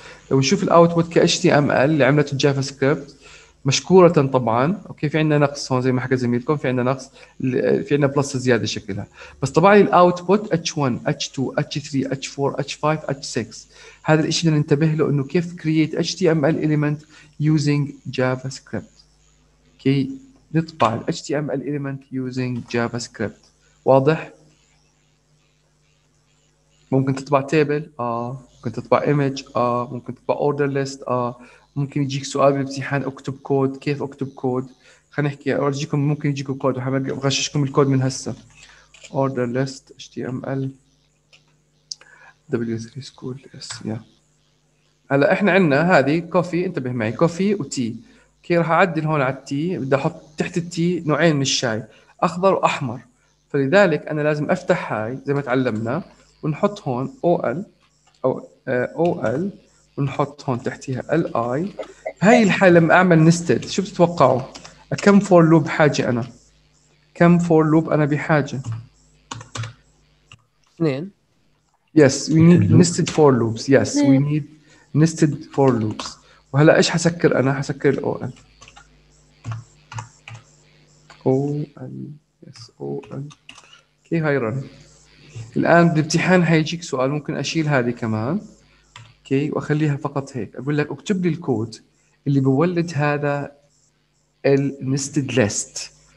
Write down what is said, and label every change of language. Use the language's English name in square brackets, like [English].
[Arabic] لو نشوف الاوتبوت كي html اللي عملته الجافا سكريبت مشكورة طبعاً، أوكي في عندنا نقص هون زي ما حكى زميلكم، في عندنا نقص، في عندنا بلس زيادة شكلها، بس طبعاً الـ output H1, H2, H3, H4, H5, H6. هذا الإشي اللي ننتبه له إنه كيف [English] create HTML element using JavaScript. [Arabic] كي نطبع الـ [English] HTML element using JavaScript. [Arabic] واضح؟ ممكن تطبع table، ممكن تطبع image، ممكن تطبع order list، ممكن يجيك سؤال بالامتحان اكتب كود، كيف اكتب كود؟ خلينا نحكي اورجيكم، ممكن يجيكم كود وحغششكم الكود من هسه. order list html w3 school s يا هلا احنا عندنا هذه كوفي، انتبه معي كوفي وتي. اوكي راح اعدل هون على التي، بدي احط تحت التي نوعين من الشاي، اخضر واحمر. فلذلك انا لازم افتح هاي زي ما تعلمنا ونحط هون ol او ol ونحط هون تحتها li. هاي الحالة لما أعمل nested شو بتتوقعوا؟ كم for loop حاجة أنا؟ كم for loop أنا بحاجة؟ 2 [English] yes we need nested for loops yes we need nested for loops. [Arabic] وهلا إيش حسكر أنا؟ حسكر ال ol yes ol كي هاي run. الآن بالامتحان هيجيك سؤال، ممكن أشيل هذه كمان كي واخليها فقط هيك، اقول لك اكتب لي الكود اللي بيولد هذا النستد ليست.